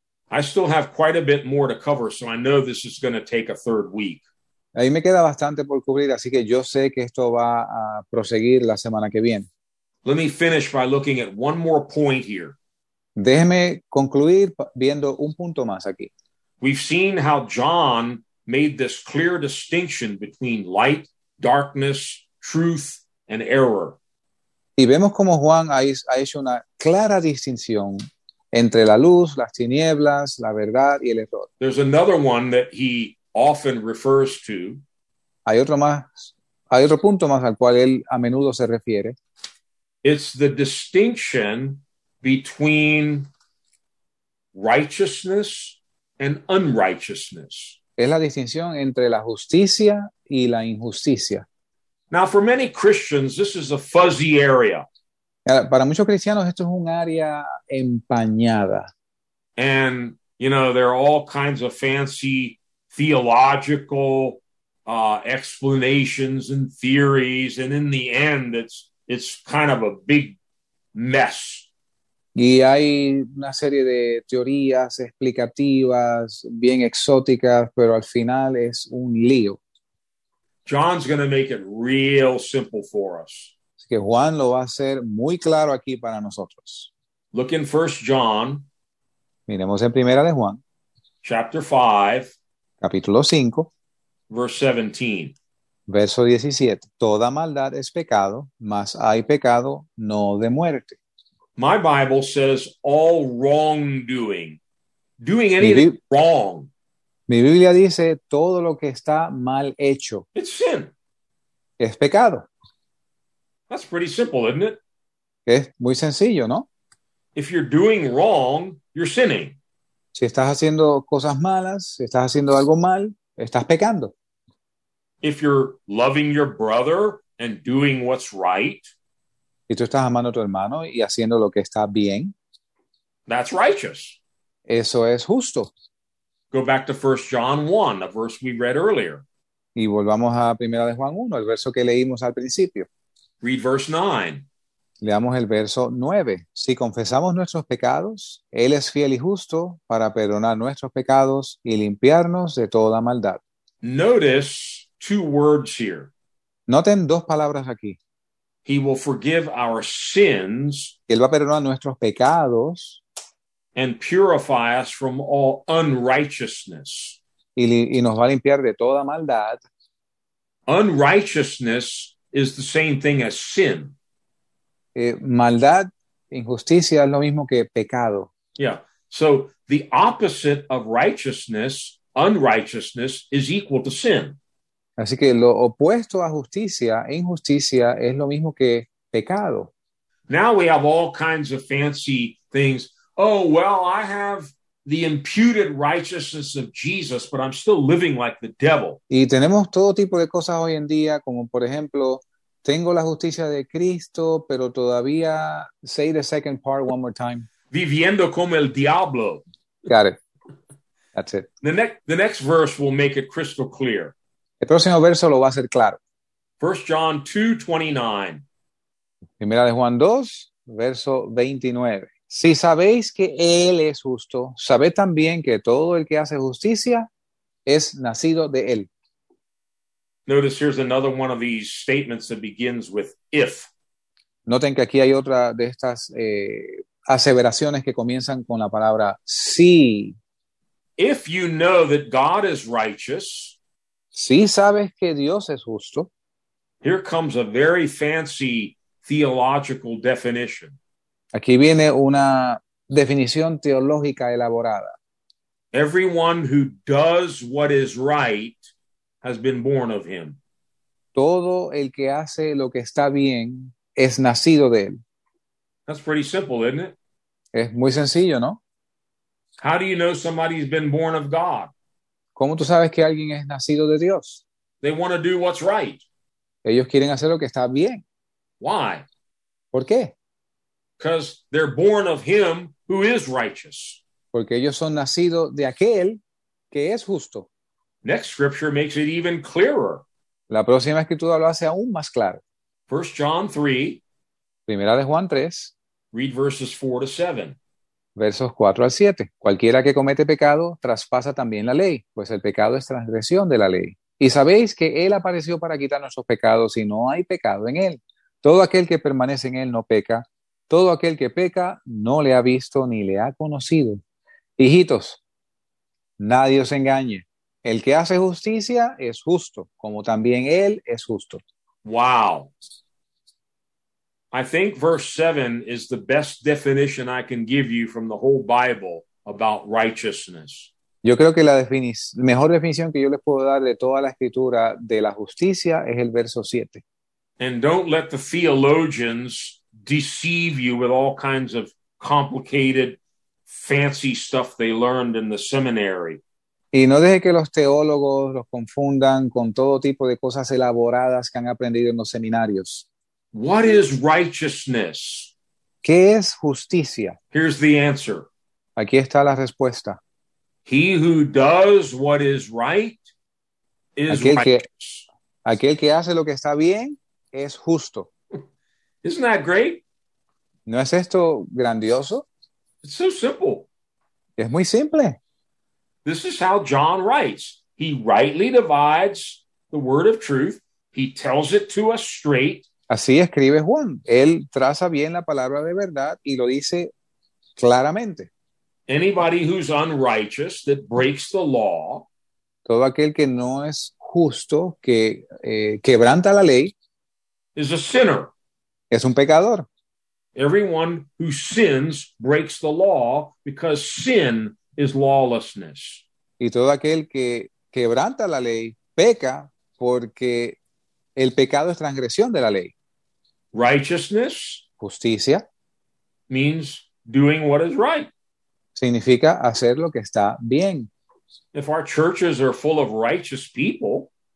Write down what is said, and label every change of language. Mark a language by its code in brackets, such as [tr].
[en] I still have quite a bit more to cover, so I know this is going to take a third week. [es] Ahí me queda bastante por cubrir, así que yo sé que esto va a proseguir la semana que viene. [en] Let me finish by looking at one more point here. [es] Déjeme concluir viendo un punto más aquí. [en] We've seen how John made this clear distinction between light, darkness, truth, and error. [es] Y vemos cómo Juan ha hecho una clara distinción entre la luz, las tinieblas, la verdad y el error. [en] There's another one that he often refers to. [es] Hay otro punto más al cual él a menudo se refiere. [en] It's the distinction between righteousness and unrighteousness. [es] Es la distinción entre la justicia y la injusticia. [en] Now, for many Christians, this is a fuzzy area. [es] Para muchos cristianos, esto es un área empañada. [en] And, you know, there are all kinds of fancy theological explanations and theories, and in the end, it's kind of a big mess. [es] Y hay una serie de teorías explicativas bien exóticas, pero al final es un lío. [en] John's going to make it real simple for us. [es] Así que Juan lo va a hacer muy claro aquí para nosotros. [en] Look in 1 John. [es] Miremos en Primera de Juan. [en] Chapter 5. [es] Capítulo 5. [en] Verse 17. [es] Verso 17. Toda maldad es pecado, mas hay pecado no de muerte. [en] My Bible says all wrongdoing. Doing anything wrong. [es] Mi Biblia dice todo lo que está mal hecho. [en] It's sin. [es] Es pecado. [en] That's pretty simple, isn't it? [es] Es muy sencillo, ¿no? [en] If you're doing wrong, you're sinning. [es] Si estás haciendo cosas malas, si estás haciendo algo mal, estás pecando. [en] If you're loving your brother and doing what's right, [es] si tú estás amando a tu hermano y haciendo lo que está bien, [en] that's righteous. [es] Eso es justo. [en] Go back to 1 John 1, a verse we read earlier. [es] Y volvamos a 1 de Juan 1, el verso que leímos al principio. [en] Read verse 9. [es] Leamos el verso 9. Si confesamos nuestros pecados, Él es fiel y justo para perdonar nuestros pecados y limpiarnos de toda maldad. [en] Notice two words here. [es] Noten dos palabras aquí. [en] He will forgive our sins. [es] Él va a perdonar nuestros pecados. [en] And purify us from all unrighteousness. [es] Y nos va a limpiar de toda maldad. [en] Unrighteousness is the same thing as sin. [es] Maldad, injusticia, es lo mismo que pecado. [en] Yeah. So the opposite of righteousness, unrighteousness, is equal to sin. [es] Así que lo opuesto a justicia, injusticia, es lo mismo que pecado. [en] Now we have all kinds of fancy things. Oh, well, I have the imputed righteousness of Jesus, but I'm still living like the devil. [es] Y tenemos todo tipo de cosas hoy en día, como por ejemplo, tengo la justicia de Cristo, pero todavía, [en] say the second part one more time. [es] Viviendo como el diablo. [en] Got it. That's it. The next verse will make it crystal clear. [es] El próximo verso lo va a hacer claro. [en] 1 John 2, 29. [es] Primera de Juan 2, verso 29. Si sabéis que Él es justo, sabed también que todo el que hace justicia es nacido de Él. [en] Notice here's another one of these statements that begins with if. [es] Noten que aquí hay otra de estas aseveraciones que comienzan con la palabra si. [en] If you know that God is righteous. [es] Si sabes que Dios es justo. [en] Here comes a very fancy theological definition. [es] Aquí viene una definición teológica elaborada. [en] Everyone who does what is right has been born of him. [es] Todo el que hace lo que está bien es nacido de él. [en] That's pretty simple, isn't it? [es] Es muy sencillo, ¿no? [en] How do you know somebody's been born of God? [es] ¿Cómo tú sabes que alguien es nacido de Dios? [en] They want to do what's right. [es] Ellos quieren hacer lo que está bien. [en] Why? [es] ¿Por qué? [en] Because they're born of him who is righteous. [es] Porque ellos son nacidos de aquel que es justo. [en] Next scripture makes it even clearer. [es] La próxima escritura lo hace aún más claro. [en] 1 John 3. [es] Primera de Juan 3. [en] Read verses 4 to 7. [es] Versos 4 al 7. Cualquiera que comete pecado traspasa también la ley, pues el pecado es transgresión de la ley. Y sabéis que Él apareció para quitar nuestros pecados y no hay pecado en Él. Todo aquel que permanece en Él no peca. Todo aquel que peca no le ha visto ni le ha conocido. Hijitos, nadie os engañe. El que hace justicia es justo, como también él es justo. [en] Wow. I think verse 7 is the best definition I can give you from the whole Bible about righteousness. [es] Yo creo que la mejor definición que yo les puedo dar de toda la escritura de la justicia es el verso 7. [en] And don't let the theologians deceive you with all kinds of complicated, fancy stuff they learned in the seminary. [es] Y no deje que los teólogos los confundan con todo tipo de cosas elaboradas que han aprendido en los seminarios. [en] What is righteousness? [es] ¿Qué es justicia? [en] Here's the answer. [es] Aquí está la respuesta. [en] He who does what is right is righteous. [es] Aquel que hace lo que está bien es justo. [en] Isn't that great? [es] ¿No es esto grandioso? [en] It's so simple. [es] Es muy simple. [en] This is how John writes. He rightly divides the word of truth. He tells it to us straight. [es] Así escribe Juan. Él traza bien la palabra de verdad y lo dice claramente. [en] Anybody who's unrighteous that breaks the law. [es] Todo aquel que no es justo, que quebranta la ley. [en] Is a sinner. [es] Es un pecador. [en] Everyone who sins breaks the law because sin is lawlessness. [es] Y todo aquel que quebranta la ley peca porque el pecado es transgresión de la ley. [en] Righteousness, [es] justicia, [en] means doing what is right. [es] Significa hacer lo que está bien. [en] If our churches are full of righteous people,